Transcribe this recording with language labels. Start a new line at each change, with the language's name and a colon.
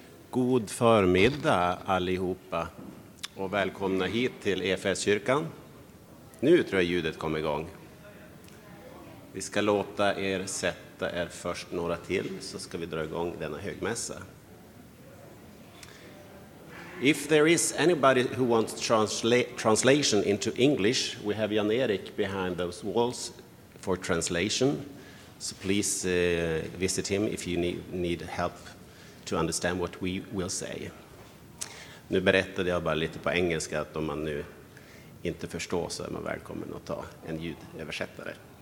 Swedish: God förmiddag allihopa och välkomna hit till EFS-kyrkan. Nu tror jag ljudet kom igång. Vi ska låta er sätta er först några till så ska vi dra igång denna högmässa.
English: If there is anybody who wants translation into English, we have Jan-Erik behind those walls for translation. So please visit him if you need help to understand what we will say.
Swedish: Nu berättade jag bara lite på engelska att om man nu inte förstår så är man välkommen att ta en ljudöversättare.